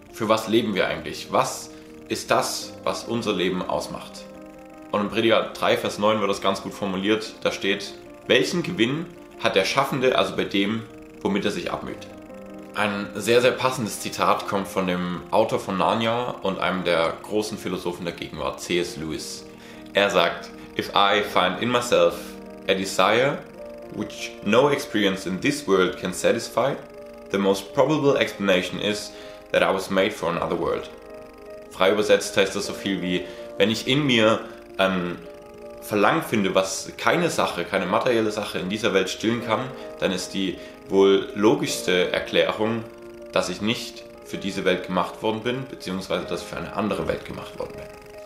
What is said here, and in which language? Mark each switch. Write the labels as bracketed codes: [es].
[de] Für was leben wir eigentlich? Was ist das, was unser Leben ausmacht? Und in Prediger 3, Vers 9 wird das ganz gut formuliert. Da steht, welchen Gewinn hat der Schaffende also bei dem, womit er sich abmüht? Ein sehr, sehr passendes Zitat kommt von dem Autor von Narnia und einem der großen Philosophen der Gegenwart, C.S. Lewis. Er sagt, [en] if I find in myself a desire which no experience in this world can satisfy, the most probable explanation is that I was made for another world. [de] Frei übersetzt heißt das so viel wie, wenn ich in mir ein Verlangen finde, was keine Sache, keine materielle Sache in dieser Welt stillen kann, dann ist die wohl logischste Erklärung, dass ich nicht für diese Welt gemacht worden bin, beziehungsweise dass ich für eine andere Welt gemacht worden bin.